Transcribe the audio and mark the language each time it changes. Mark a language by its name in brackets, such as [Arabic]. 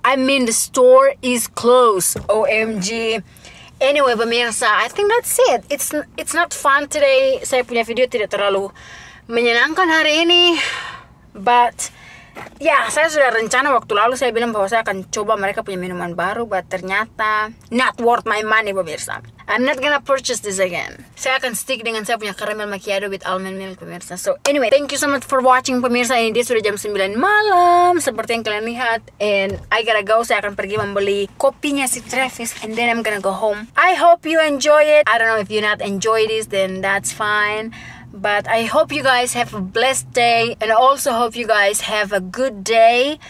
[English] I mean the store is closed. OMG. Anyway, pemirsa, I think that's it. It's not fun today. [Indonesian] Saya punya video tidak terlalu menyenangkan hari ini. But ya, saya sudah rencana waktu lalu saya bilang bahwa saya akan coba mereka punya minuman baru, but ternyata [English] not worth my money [Indonesian] pemirsa. [English] I'm not gonna purchase this again. [Indonesian] Saya akan stick dengan saya punya [English] caramel macchiato with almond milk pemirsa. So anyway, thank you so much for watching pemirsa. [Indonesian] Ini dia sudah jam 9 malam seperti yang kalian lihat, [English] and I gotta go. [Indonesian] Saya akan pergi membeli kopinya si Travis [English] and then I'm gonna go home. I hope you enjoy it. I don't know if you not enjoy this, then that's fine. But I hope you guys have a blessed day and also hope you guys have a good day.